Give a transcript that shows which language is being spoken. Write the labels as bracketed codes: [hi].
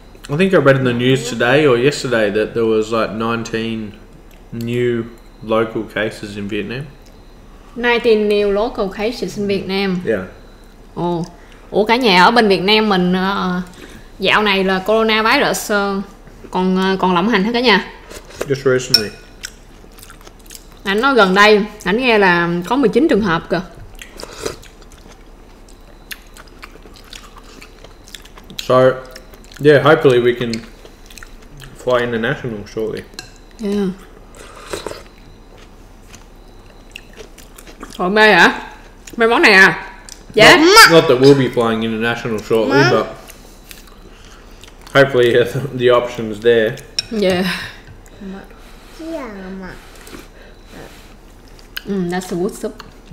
[en] I think I read in the news today or yesterday that there was like 19 new local cases in Vietnam. 19 new local cases in Vietnam? Yeah. Oh. [vi] Ủa cả nhà ở bên Việt Nam mình dạo này là coronavirus còn lộng hành hết cả nhà. [en] Just recently. [vi] Anh nói gần đây, anh nghe là có 19 trường hợp kìa. [en] So, yeah, hopefully we can fly international shortly. [vi] Yeah. Thôi mê hả? Mê món này à? [en] Yeah. Not that we'll be flying international shortly, but hopefully the option's there. Yeah. Yeah. That's the wood soup.